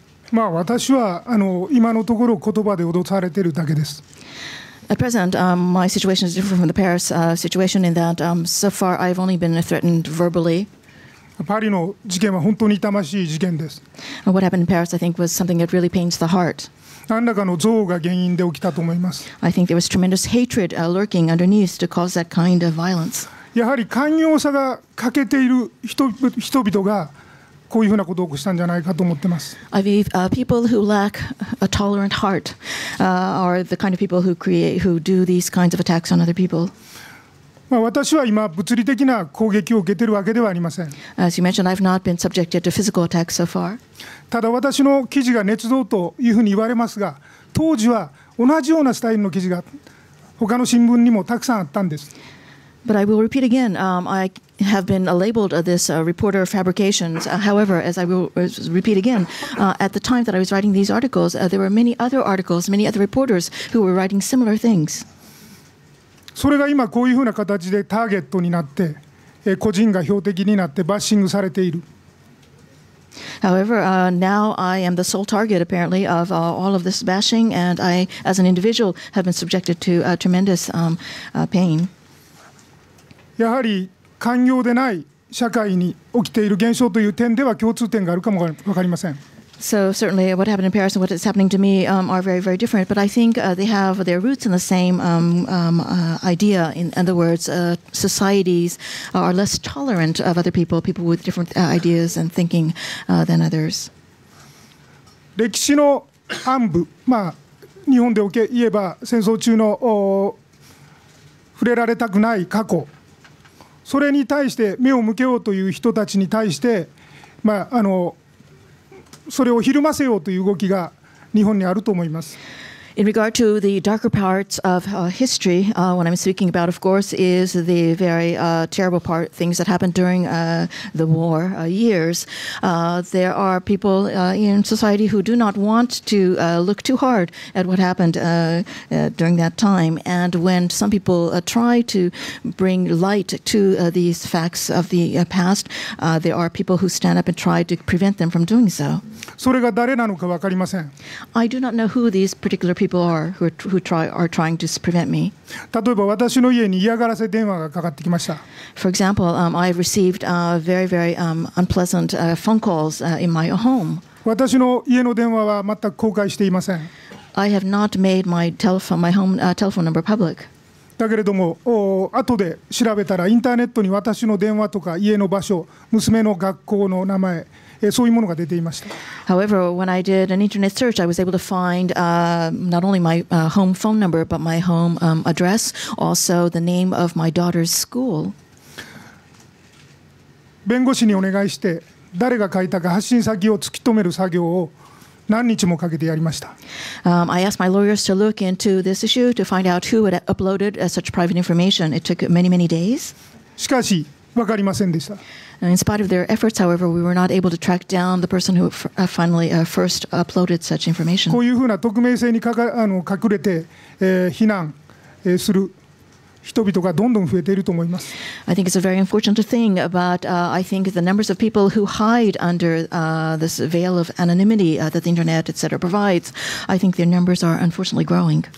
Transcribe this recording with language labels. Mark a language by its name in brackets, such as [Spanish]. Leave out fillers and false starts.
[Japanese] まあ私はあの今のところ言葉で脅されてるだけです。 [English] At present, my situation is different from the Paris situation in that so far I've only been threatened verbally. [Japanese] Paris の事件は本当に痛ましい事件です。 [English] What happened in Paris, I think, was something that really pains the heart. [Japanese] 何らかの憎悪が原因で起きたと思います。 [English] I think there was tremendous hatred lurking underneath to cause that kind of violence. [Japanese] やはり寛容さが欠けている人々がこういうふうなことを起こしたんじゃないかと思ってます。 [English] I believe people who lack a tolerant heart are the kind of people who create, who do these kinds of attacks on other people. [Japanese] まあ私は今物理的な攻撃を受けているわけではありません。 [English] As you mentioned, I've not been subjected to physical attacks so far. [Japanese] ただ私の記事が捏造というふうに言われますが、当時は同じようなスタイルの記事が他の新聞にもたくさんあったんです。 [English] But I will repeat again, I have been labeled this reporter of fabrications. However, as I will repeat again, at the time that I was writing these articles, there were many other articles, many other reporters who were writing similar things. [Japanese] それが今こういうふうな形でターゲットになって、個人が標的になってバッシングされている。 [English] However, now I am the sole target, apparently, of all of this bashing, and I, as an individual, have been subjected to tremendous pain. [Japanese] やはり寛容でない社会に起きている現象という点では共通点があるかも分かりません。 [English] So certainly what happened in Paris and what is happening to me are very, very different. But I think they have their roots in the same idea. In other words, societies are less tolerant of other people, people with different ideas and thinking than others. [Japanese] 歴史の暗部、まあ日本で言えば戦争中の触れられたくない過去。それに対して目を向けようという人たちに対して、まあ、あのそれをひるませようという動きが日本にあると思います。 [English] In regard to the darker parts of history, what I'm speaking about, of course, is the very terrible part, things that happened during the war years. There are people in society who do not want to look too hard at what happened during that time. And when some people try to bring light to these facts of the past, there are people who stand up and try to prevent them from doing so. [Japanese] それが誰なのか分かりません。 [English] I do not know who these particular people People are who try are trying to prevent me. [Japanese] 例えば私の家に嫌がらせ電話がかかってきました。 [English] For example, I have received very, very unpleasant phone calls in my home. [Japanese] 私の家の電話は全く公開していません。 [English] I have not made my home telephone number public. [Japanese] だけれども、後で調べたらインターネットに私の電話とか家の場所、娘の学校の名前。そういうものが出ていました。 [English] However, when I did an internet search, I was able to find not only my home phone number, but my home address, also the name of my daughter's school. [Japanese] 弁護士にお願いして、誰が書いたか発信先を突き止める作業を何日もかけてやりました。 [English] I asked my lawyers to look into this issue to find out who had uploaded such private information. It took many, many days. [Japanese] しかし、わかりませんでした。 [English] In spite of their efforts, however, we were not able to track down the person who finally first uploaded such information. [Japanese] こういうふうな匿名性に隠れて、避難する、人々がどんどん増えていると思います。 [English] I think it's a very unfortunate thing, but I think the numbers of people who hide under this veil of anonymity that the internet, etc. provides, I think their numbers are unfortunately growing.